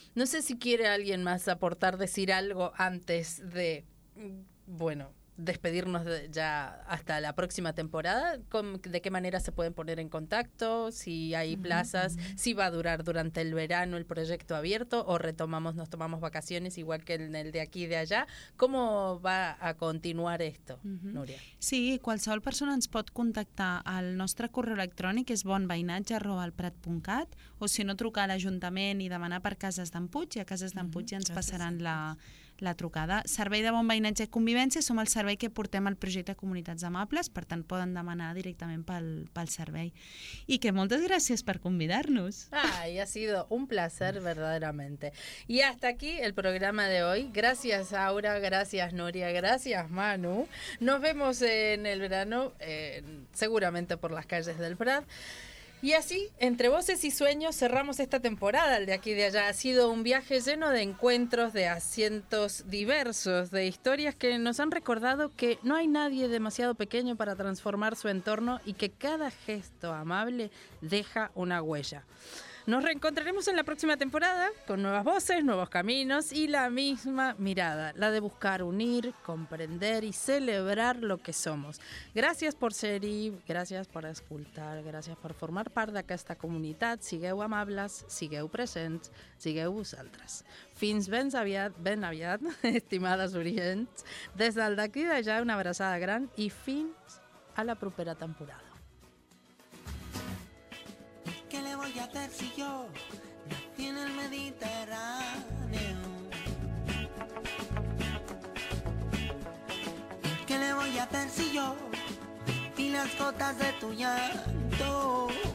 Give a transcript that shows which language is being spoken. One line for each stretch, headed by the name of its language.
Spanish: No sé si quiere alguien más aportar, decir algo antes de, bueno, despedirnos ya hasta la próxima temporada. ¿De qué manera se pueden poner en contacto? ¿Si hay plazas? ¿Si va a durar durante el verano el proyecto abierto? ¿O retomamos, nos tomamos vacaciones igual que en el de aquí y de allá? ¿Cómo va a continuar esto, Núria?
Catalan: Sí, qualsevol persona ens pot contactar al nostre correu electrònic, és bonveinatge@elprat.cat, o si no, trucar a l'Ajuntament i demanar per Cases d'en Puig, i a Cases d'en Puig ja ens passaran la trucada. Servei de Bon Veïnatge i Convivència, som el servei que portem al projecte Comunitats Amables, per tant poden demanar directament pel servei. I que moltes gràcies per convidar-nos.
Spanish: Ai, ha sido un placer verdaderamente. I hasta aquí el programa de hoy.
Catalan: Gràcies, Aura, gràcies, Núria, gràcies, Manu.
Spanish: Nos vemos en el verano, seguramente por las calles del Prat. Y así, entre voces y sueños, cerramos esta temporada, el de aquí y de allá. Ha sido un viaje lleno de encuentros, de asientos diversos, de historias que nos han recordado que no hay nadie demasiado pequeño para transformar su entorno y que cada gesto amable deja una huella. Nos reencontraremos en la próxima temporada con nuevas voces, nuevos caminos y la misma mirada, la de buscar unir, comprender y celebrar lo que somos. Gracias por ser y gracias por escuchar, gracias por formar part de esta comunidad.
Catalan: Sigueu amables, sigueu presents, sigueu vosaltres. Fins ben aviat, estimades orients. Des del d'aquí d'allà, una abraçada gran i fins a la propera temporada.
Spanish: ¿Qué le voy a hacer si yo nací en el Mediterráneo? ¿Qué le voy a hacer si yo vi las gotas de tu llanto?